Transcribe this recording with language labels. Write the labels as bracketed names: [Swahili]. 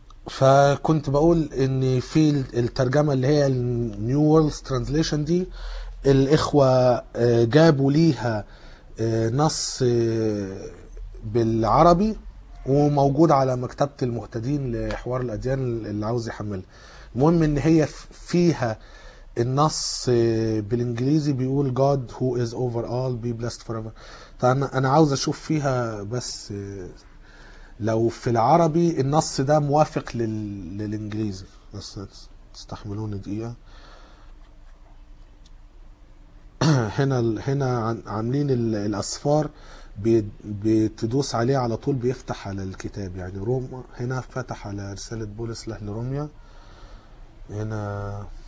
[Arabic] فكنت بقول ان في الترجمة اللي هي New World Translation دي الاخوة جابوا ليها نص بالعربي وموجود على مكتبة المهتدين لحوار الاديان اللي عاوز يحمل. المهم ان هي فيها النص بالانجليزي بيقول [English] God who is over all be blessed forever. [Arabic] انا عاوز اشوف فيها بس لو في العربي النص ده موافق للانجليزي، بس تستحملوني دقيقة. هنا عاملين الاصفار بتدوس عليه على طول بيفتح على الكتاب، يعني روما هنا فتح على رسالة بولس لأهل روميا، هنا